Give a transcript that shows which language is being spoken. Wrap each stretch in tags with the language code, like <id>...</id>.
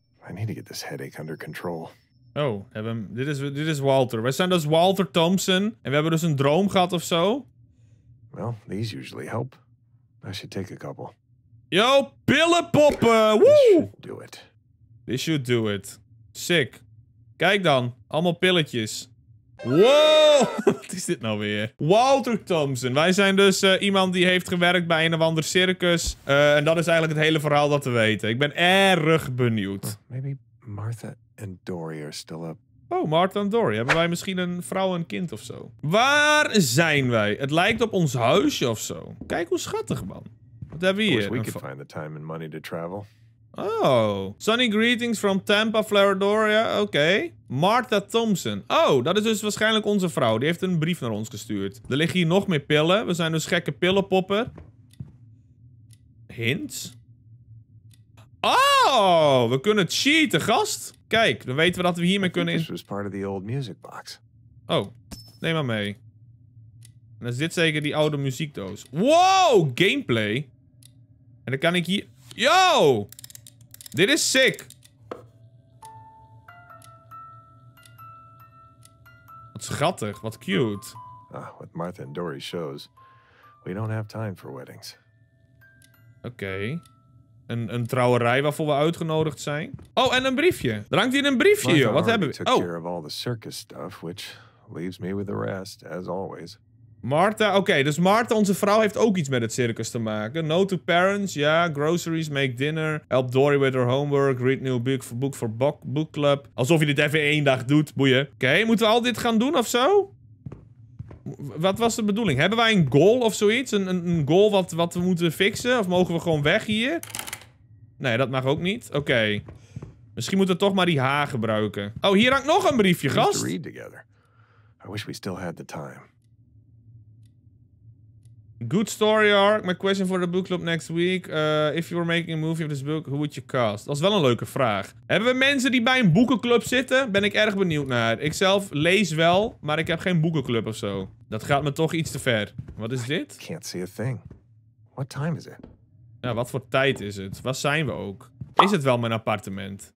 <en>I need to get this headache under control.</en> <nl>Oh, hebben dit is Walter. Wij zijn dus Walter Thompson. En we hebben dus een droom gehad of zo.</nl> <en>Well, these usually help. I should take a couple.</en> <nl>Yo, pillenpoppen! Woo!</nl> <en>This should do it. This should do it. Sick.</en> <nl>Kijk dan. Allemaal pilletjes.</nl> <en>Wow!</en> <nl>Wat is dit nou weer? Walter Thompson. Wij zijn dus iemand die heeft gewerkt bij een of ander circus. En dat is eigenlijk het hele verhaal dat we weten. Ik ben erg benieuwd.</nl> <en>Well, maybe Martha and Dory are still up.</en> <nl>Oh, Martha en Dory. Hebben wij misschien een vrouw en een kind of zo? Waar zijn wij? Het lijkt op ons huisje of zo. Kijk hoe schattig, man. Wat hebben we hier?</nl> <en>We could find the time and money to travel. Oh. Sunny greetings from Tampa, Florida. Oké. Okay. Martha Thompson.</en> <nl>Oh, dat is dus waarschijnlijk onze vrouw. Die heeft een brief naar ons gestuurd. Er liggen hier nog meer pillen. We zijn dus gekke pillenpoppen. Hints? Oh, we kunnen cheaten, gast. Kijk, dan weten we dat we hiermee kunnen in...</nl> <en>This was part of the old music box.</en> <nl>Oh, neem maar mee. En dan zit zeker die oude muziekdoos. Wow, gameplay. En dan kan ik hier... Yo! Dit is sick. Wat schattig, wat cute.</nl> <en>Ah, what Martha and Dory shows. We don't have time for weddings.</en> <nl>Oké. Een trouwerij waarvoor we uitgenodigd zijn. Oh, en een briefje. Er hangt hier een briefje, joh. Wat hebben we? Oh.</nl> <en>Took care of all the circus stuff, which leaves me with the rest, as always.</en> <nl>Martha, oké. Dus Martha, onze vrouw, heeft ook iets met het circus te maken.</nl> <en>No to parents, ja. Yeah. Groceries, make dinner. Help Dory with her homework. Read new book for book club.</en> <nl>Alsof je dit even één dag doet, boeien. Oké, moeten we al dit gaan doen of zo? Wat was de bedoeling? Hebben wij een goal of zoiets? Een goal wat we moeten fixen? Of mogen we gewoon weg hier? Nee, dat mag ook niet. Oké. Misschien moeten we toch maar die H gebruiken. Oh, hier hangt nog een briefje, gast. We moeten samen lezen. Ik wens dat we nog steeds de tijd</nl> <en>hadden. Good story arc. My question for the book club next week. If you were making a movie of this book, who would you cast?</en> <nl>Dat is wel een leuke vraag. Hebben we mensen die bij een boekenclub zitten? Ben ik erg benieuwd naar. Ik zelf lees wel, maar ik heb geen boekenclub of zo. Dat gaat me toch iets te ver. Wat is dit?</nl> <en>I can't see a thing. What time is it?</en> <nl>Ja, wat voor tijd is het? Waar zijn we ook? Is het wel mijn appartement?</nl>